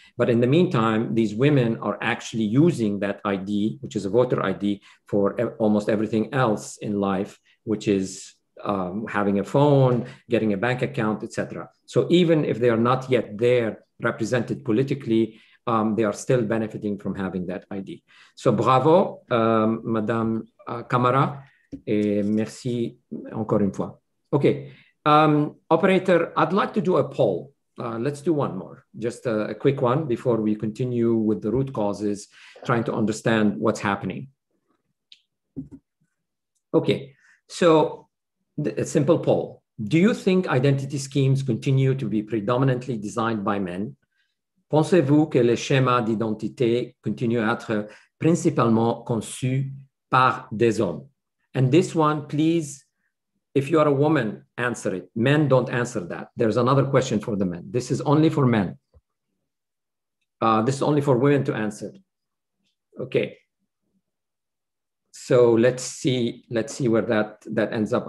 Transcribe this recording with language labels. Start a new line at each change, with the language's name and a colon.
English: But in the meantime, these women are actually using that ID, which is a voter ID, for almost everything else in life, which is having a phone, getting a bank account, etc. So even if they are not yet there represented politically, they are still benefiting from having that ID. So bravo,
French: Madame Camara, et merci encore une fois.
English: Okay, operator, I'd like to do a poll. Let's do one more, just a quick one before we continue with the root causes, trying to understand what's happening. Okay, so a simple poll. Do you think identity schemes continue to be predominantly designed by men?
French: Pensez-vous que les schémas d'identité continuent à être principalement conçus par des hommes?
English: And this one, please, if you are a woman, answer it. Men don't answer that. There's another question for the men. This is only for men. This is only for women to answer. Okay. So let's see where that ends up.